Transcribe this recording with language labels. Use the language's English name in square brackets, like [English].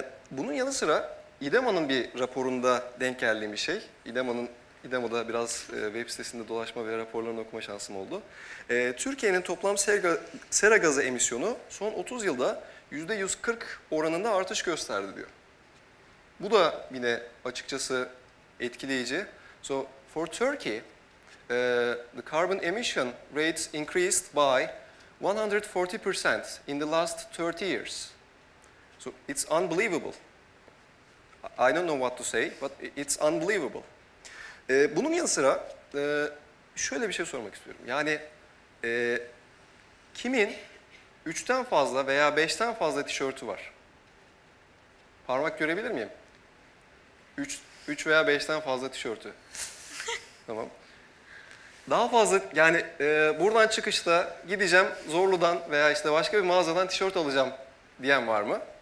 [Turkish] Bunun yanı sıra İDEMA'nın bir raporunda denk geldiğim bir şey. İDEMA'da biraz web sitesinde dolaşma ve raporlarını okuma şansım oldu. Türkiye'nin toplam sera gazı emisyonu son 30 yılda %140 oranında artış gösterdi diyor. Bu da yine açıkçası etkileyici. [English] For Turkey, the carbon emission rates increased by 140% in the last 30 years. It's unbelievable. I don't know what to say, but it's unbelievable. [Turkish] Bunun yanı sıra şöyle bir şey sormak istiyorum. Yani kimin 3'ten fazla veya 5'ten fazla tişörtü var? Parmak görebilir miyim? 3 veya 5'ten fazla tişörtü. Tamam. Daha fazla, yani buradan çıkışta gideceğim Zorlu'dan veya işte başka bir mağazadan tişört alacağım diyen var mı?